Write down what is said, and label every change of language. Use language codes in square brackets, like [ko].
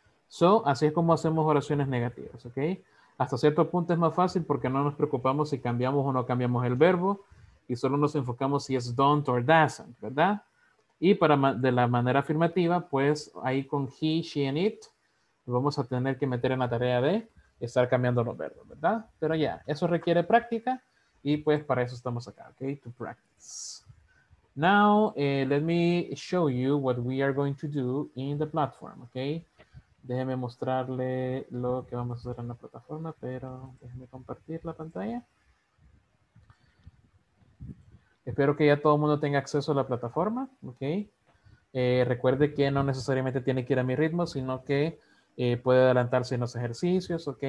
[es] So, así es como hacemos oraciones negativas. Okay. Hasta cierto punto es más fácil porque no nos preocupamos si cambiamos o no cambiamos el verbo y solo nos enfocamos si es [en] don't or doesn't, [es] ¿verdad? Y para de la manera afirmativa, pues ahí con [en] he, she, and it, [es] vamos a tener que meter en la tarea de estar cambiando los verbos, ¿verdad? Pero ya, eso requiere práctica y pues para eso estamos acá, ¿ok? [en] To practice. Now, let me show you what we are going to do in the platform, ¿ok? [es] Déjeme mostrarle lo que vamos a hacer en la plataforma, pero déjeme compartir la pantalla. Espero que ya todo el mundo tenga acceso a la plataforma, ¿ok? Recuerde que no necesariamente tiene que ir a mi ritmo, sino que puede adelantarse en los ejercicios, ¿ok?